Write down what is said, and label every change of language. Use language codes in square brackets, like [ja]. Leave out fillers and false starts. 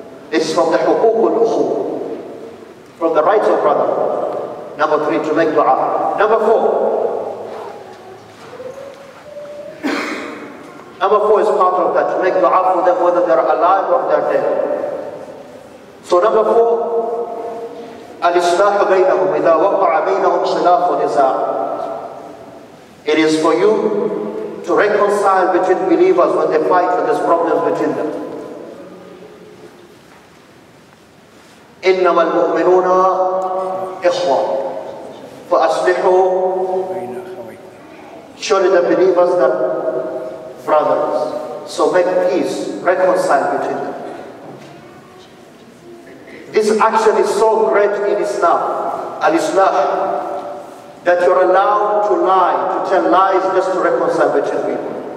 [en] It's from the حقوق الأخوة, from the rights of brother. Number three, to make dua. Number four is part of that, to make dua for them whether they're alive or they're dead. So number four, [ar] الإصلاح بينهم إذا وقع بينهم خلاف ونزاع. [en] It is for you to reconcile between believers when they fight with these problems between them. [ar] إنما المؤمنون إخوة فأصلحوا. [en] Surely the believers are brothers. So make peace, reconcile between them. This action is so great in Islam, al-Islah, that you're allowed to lie, to tell lies just to reconcile between people.